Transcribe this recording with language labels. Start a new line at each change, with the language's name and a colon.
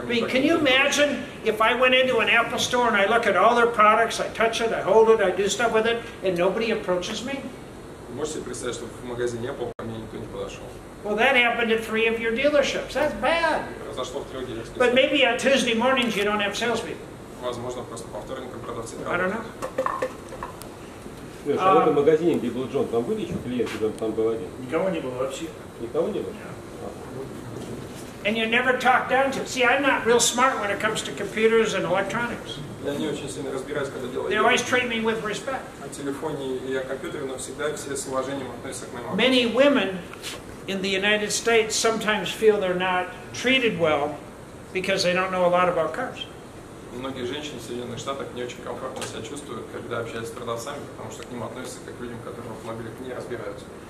English: Can you imagine if I went into an Apple store and I look at all their products, I touch it, I hold it, I do stuff with it, and nobody approaches me? Well, that happened at 3 of your dealerships. That's bad. But maybe on Tuesday mornings you don't have salespeople. I don't know.
Russian: Слушай, в этом магазине, где был Джон, там были еще клиенты, или он там был один? Никого не было вообще. Никого не было?
English: And you never talk down to. See, I'm not real smart when it comes to computers and electronics.
Russian: Я не очень сильно разбираюсь, когда дело.
English: They always treat me with respect.
Russian: На телефоне и о компьютере, но всегда все с уважением относятся к моим.
English: Many women in the United States sometimes feel they're not treated well because they don't know a lot about cars.
Russian: Многие женщины в Соединенных Штатах не очень комфортно себя чувствуют, когда общаются с продавцами, потому что к ним относятся как к людям, которые в автомобилях не разбираются.